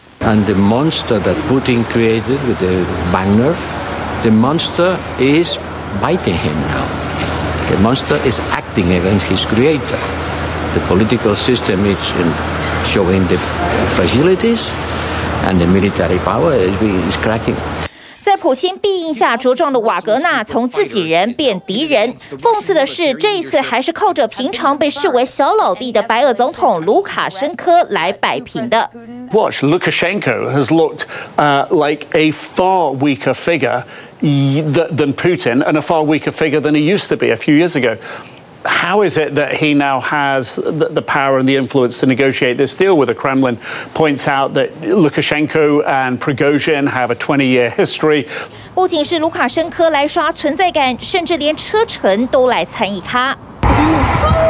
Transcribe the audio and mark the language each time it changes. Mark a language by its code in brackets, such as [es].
[en] And the monster that Putin created with the Wagner, the monster is biting him now. The monster is acting against his creator. The political system is showing the fragilities, and the military power is cracking. [zh] 在普京庇荫下茁壮的瓦格纳，从自己人变敌人。讽刺的是，这一次还是靠着平常被视为小老弟的白俄总统卢卡申科来摆平的。 [en] Watch, Lukashenko has looked like a far weaker figure than Putin and a far weaker figure than he used to be a few years ago. How is it that he now has the power and the influence to negotiate this deal with the Kremlin? Points out that Lukashenko and Prigozhin have a 20-year history. [zh] 不仅是卢卡申科来刷存在感，甚至连车臣都来参与他。